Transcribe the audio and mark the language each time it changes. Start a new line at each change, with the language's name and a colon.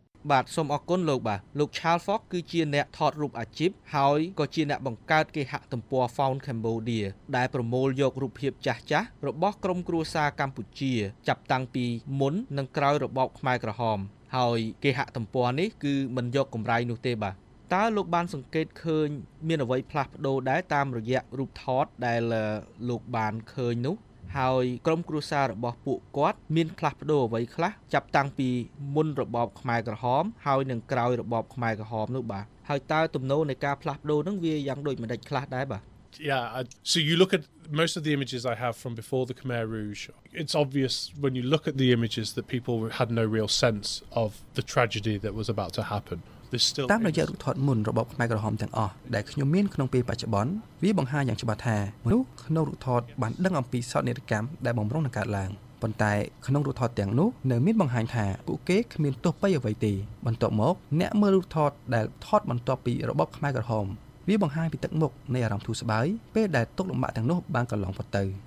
Khmer: បាទសូមអរគុណលោកបាទលោក Charles Fox គឺជាអ្នកថតរូបអាជីពហើយក៏ជាអ្នកបង្កើតគេហទំព័រ Found Cambodia ដែលប្រមូលយករូបភាពចាស់ចាស់របស់ក្រុមគ្រួសារកម្ពុជាចាប់តាំងពីមុននិងក្រោយរបបខ្មែរក្រហមហើយគេហទំព័រនេះគឺមិនយកកម្រៃនោះទេបាទតើលោកបានសង្កេតឃើញមានអ្វីផ្លាស់ប្ដូរដែរតាមរយៈរូបថតដែល លោកបានឃើញនោះហើយក្រុមគ្រួសាររបស់ពួកគាត់មានខ្លះប្ដូរអ្វីខ្លះចាប់តាំងពីមុនរបបខ្មែរក្រហមហើយនឹងក្រោយរបបខ្មែរក្រហមនោះបាទហើយតើទំនោរនៃការផ្លាស់ប្ដូរនឹងវាយ៉ាងដូចម្ដេចខ្លះដែរបាទ
English: Yeah, so you look at most of the images I have from before the Khmer Rouge. It's obvious when you look at the images that people had no real sense of the tragedy that was about to happen.
Khmer: តាមរយៈរូបថតមុនរបបខ្មែរក្រហមទាំងអស់ដែលខ្ញុំមានក្នុងពេលបច្ចុប្បន្នវាបង្ហាញយ៉ាងច្បាស់ថាមនុស្សក្នុងរូបថតបានដឹងអំពីសោកនាដកម្មដែលបំរុងនឹងកើតឡើងប៉ុន្តែក្នុងរូបថតទាំងនោះនៅមានបង្ហាញថាពួកគេគ្មានទោះបីអ្វីទេបន្ទាប់មកអ្នកមើលរូបថតដែលថតបន្ទាប់ពីរបបខ្មែរក្រហមវាបង្ហាញពីទឹកមុខនៃអារម្មណ៍ទុស្សបាយពេលដែលទុក្ខលំបាកទាំងនោះបានកន្លងផុតទៅ